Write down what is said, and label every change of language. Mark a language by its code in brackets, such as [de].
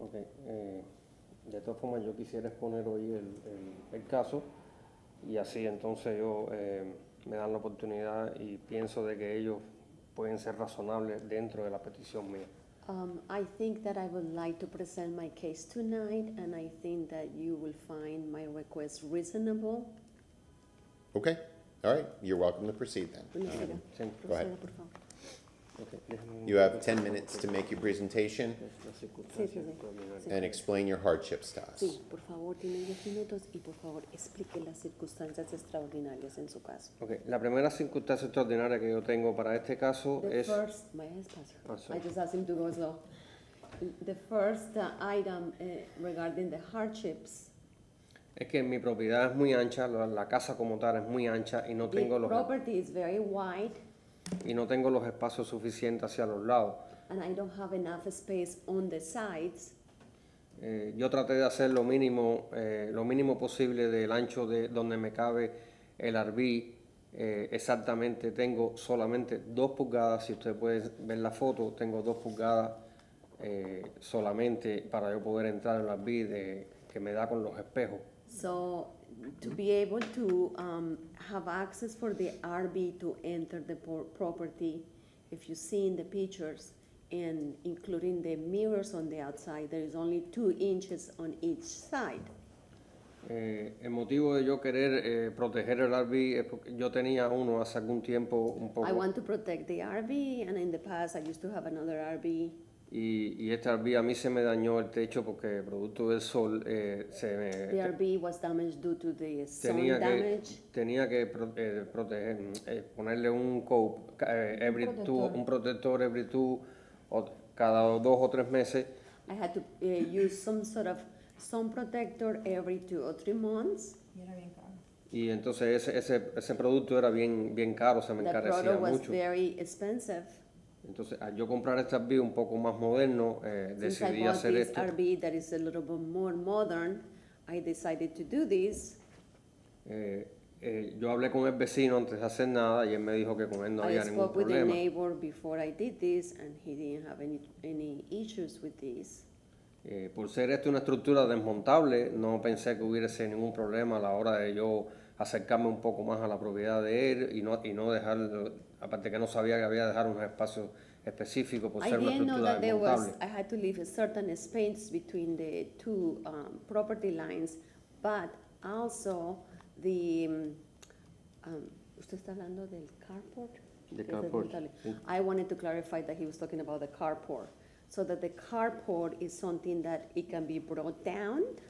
[es] Okay, de todas formas yo quisiera exponer hoy el caso y así entonces yo me dan la oportunidad y pienso de que ellos pueden ser razonables dentro de la petición mía. [en] I think that I would like to present my case tonight, and I think that you will find my request reasonable. Okay. All right. You're welcome to proceed then. Go ahead. You have 10 minutes to make your presentation and explain your hardships to us. [es] Sí, por favor, tiene 10 minutos y por favor explique las circunstancias extraordinarias en su caso. Okay, la primera circunstancia extraordinaria que yo tengo para este caso es. [en] The first, my espacio. I just asked him to go slow. The first item regarding the hardships. [es] Es que mi propiedad es muy ancha, la casa como tal es muy ancha y no tengo los. [en] The property is very wide. [es] Y no tengo los espacios suficientes hacia los lados. [en] And I don't have enough space on the sides. [es] Yo traté de hacer lo mínimo posible del ancho de donde me cabe el RV. Exactamente, tengo solamente 2 pulgadas, si ustedes pueden ver la foto, tengo 2 pulgadas solamente para yo poder entrar en el RV que me da con los espejos. [en] So, to be able to have access for the RV to enter the property, if you see in the pictures, and including the mirrors on the outside, there is only 2 inches on each side. [es] El motivo de yo querer proteger el RV es porque yo tenía uno hace algún tiempo un poco. [en] I want to protect the RV, and in the past I used to have another RV. [es] Y este RV a mí se me dañó el techo porque producto del sol se me. [en] The RV was damaged due to the sun damage. [es] Tenía que proteger, ponerle un cope, [en] every protector. [es] Two, un protector [en] every two, [es] o, cada 2 o 3 meses. [en] I had to use some sort of sun protector every 2 or 3 months. [es] Y entonces ese producto era bien caro, se me [en] that [es] encarecía [en] product [es] mucho. [en] Was very expensive. [es] Entonces, al yo comprar este RV un poco más moderno, decidí hacer esto. [en] Since I bought this RV that is a little bit more modern, I decided to do this. [es] Yo hablé con el vecino antes de hacer nada y él me dijo que con él no había ningún problema. [en] I spoke with the neighbor before I did this and he didn't have any issues with this. [es] Por ser esto una estructura desmontable, no pensé que hubiese ningún problema a la hora de yo acercarme un poco más a la propiedad de él y no dejar. Aparte que no sabía que había dejar un espacio específico por ser una estructura desmontable. [en] I had to leave a certain space between the two property lines, but also the. [es] ¿Usted está hablando del carport? [en] The carport. I wanted to clarify that he was talking about the carport. so that the carport is something that it can be brought down.